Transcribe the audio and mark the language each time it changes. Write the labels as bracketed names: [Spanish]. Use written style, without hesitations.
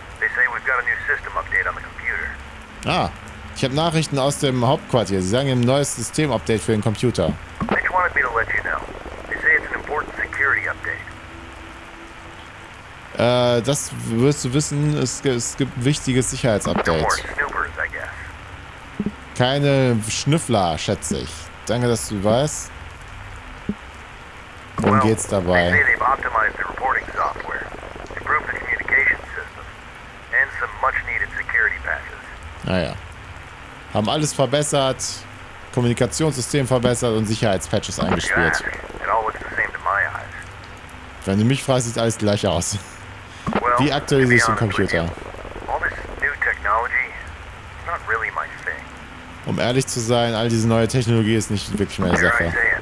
[English] They say we've got a new system update on the computer. [German] Ah, ich habe Nachrichten aus dem Hauptquartier. Sie sagen, ein neues System Update für den Computer. Mitch wanted me to let you know. They say it's an important security update. Das wirst du wissen. Es gibt ein wichtiges Sicherheitsupdate. [English] No more snoopers, I guess. [German] Keine Schnüffler, schätze ich. Danke, dass du weißt. Worum geht's dabei? [English] They say they've optimized the reporting software, improved the communication system, and some much-needed security patches. [German] Naja. Haben alles verbessert, Kommunikationssystem verbessert und Sicherheitspatches eingespielt. [English] It all looks the same to my eyes. [German] Wenn du mich fragst, sieht alles gleich aus. [English] Well, [German] wie aktualisiere ich den Computer? [English] All this new technology, it's not really my thing. [German] Um ehrlich zu sein, all diese neue Technologie ist nicht wirklich meine Sache.